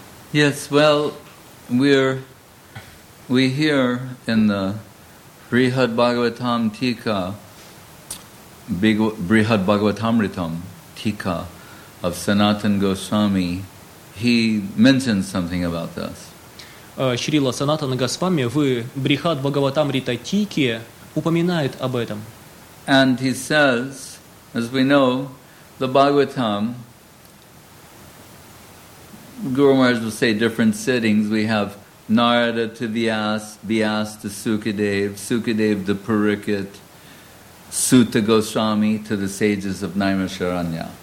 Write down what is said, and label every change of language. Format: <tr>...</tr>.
<en>Yes, well, we hear in the Brihad Bhagavatam Tika, Brihad Bhagavatamritam Tika of Sanatan Goswami, he mentions something about this.</en> <ru>Шрила Санатана Госвами в Брихад Бхагаватамрита Тике упоминает об этом.</ru> <en>And he says, as we know, the Bhagavatam, Guru Maharaj will say different sittings, we have Narada to Vyas, Vyas to Sukadev, Sukadev to Parikit, Sutta Goswami to the sages of Naimasharanya.</en>